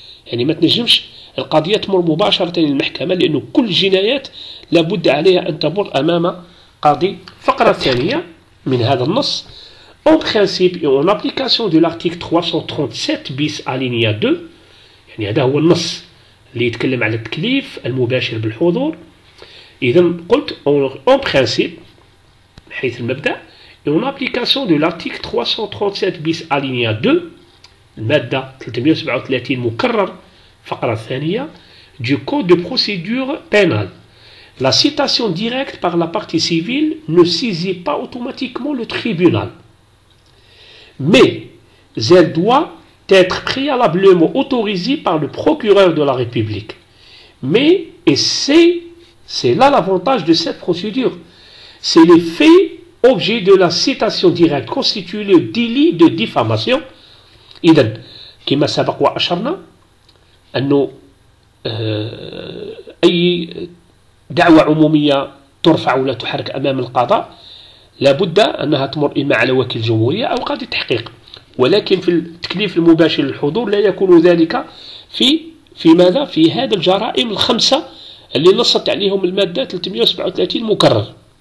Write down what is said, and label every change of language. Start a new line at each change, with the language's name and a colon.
Arabic: يعني ما تنجمش القضية تمر مباشرة للمحكمة لأنه كل الجنايات لابد عليها أن تمر أمام قاضي. فقرة ثانية من هذا النص.
French: En principe et en application de l'article 337 bis alinéa 2
Arabic: يعني هذا هو النص اللي يتكلم على التكليف المباشر بالحضور. إذا قلت
French: en principe
Arabic: حيث المبدأ
French: en application de l'article 337 bis alinéa 2
Arabic: المادة 337 مكرر فقرة ثانية
French: du code de procédure pénale. La citation directe par la partie civile ne saisit pas automatiquement le tribunal. Mais elle doit être préalablement autorisée par le procureur de la République. Mais, et c'est là l'avantage de cette procédure, c'est les faits objets de la citation directe constituent le délit de diffamation.
Arabic: إذن كما سبق وأشرنا أنه أي دعوة عمومية ترفع ولا تحرك أمام القضاء لابد أنها تمر إما على وكيل الجمهورية أو قاضي التحقيق، ولكن في التكليف المباشر للحضور لا يكون ذلك في ماذا؟ في هذا الجرائم الخمسة اللي نصت عليهم المادة 337 مكرر.